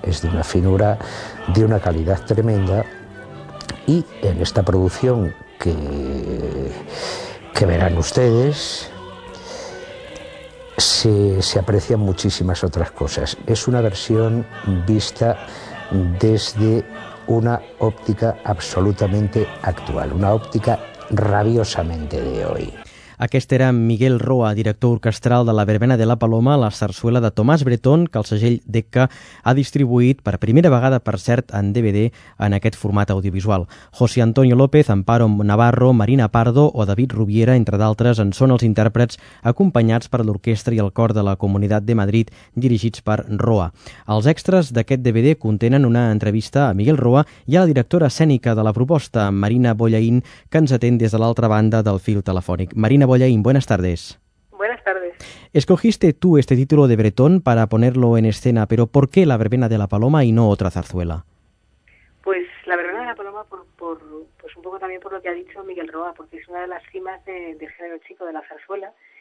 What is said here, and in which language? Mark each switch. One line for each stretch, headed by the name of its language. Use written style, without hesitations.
Spanish: Es de una finura, de una calidad tremenda, y en esta producción que verán ustedes se aprecian muchísimas otras cosas. Es una versión vista desde una óptica absolutamente actual, una óptica rabiosamente de hoy.
Catalan: Aquest era Miguel Roa, director orquestral de La Verbena de la Paloma, la sarsuela de Tomàs Breton, que el segell Decca ha distribuït per primera vegada, per cert, en DVD en aquest format audiovisual. José Antonio López, Amparo Navarro, Marina Pardo o David Rubiera, entre d'altres, en són els intèrprets, acompanyats per l'orquestra i el cor de la Comunitat de Madrid, dirigits per Roa. Els extras d'aquest DVD contenen una entrevista a Miguel Roa i a la directora escènica de la proposta, Marina Bollaín, que ens atén des de l'altra banda del fil telefònic.
Spanish: Marina Bollaín, buenas tardes. Buenas tardes. Escogiste tú este título de Bretón para ponerlo en escena, pero ¿por qué La Verbena de la Paloma y no otra zarzuela? Pues La Verbena de la Paloma, pues un poco también por lo que ha dicho Miguel Roa, porque es una de las cimas del género chico de la zarzuela.